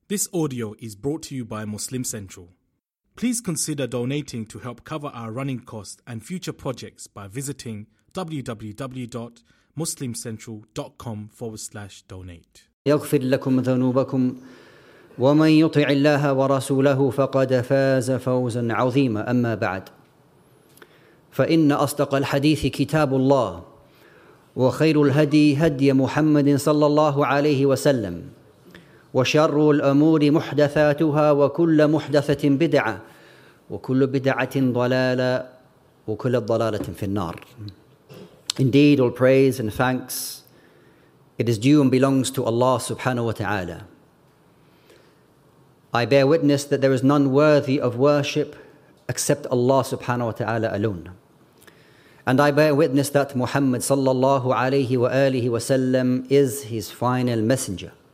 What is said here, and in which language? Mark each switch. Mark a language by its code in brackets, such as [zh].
[en] This audio is brought to you by Muslim Central. Please consider donating to help cover our running costs and future projects by visiting www.muslimcentral.com/donate. [ar] يغفر لكم ذنوبكم ومن يطع الله ورسوله فقد فاز فوزا عظيما أما بعد فإن أصدق الحديث كتاب الله وخير الهدي هدي محمد صلى الله عليه وسلم وشر الأمور محدثاتها وكل محدثة بدعة وكل بدعة ضلالة وكل ضلالة في النار. [en] Indeed, all praise and thanks, it is due and belongs to Allah subhanahu wa ta'ala. I bear witness that there is none worthy of worship except Allah subhanahu wa ta'ala alone. And I bear witness that Muhammad sallallahu alayhi wa alihi wa sallam is his final messenger.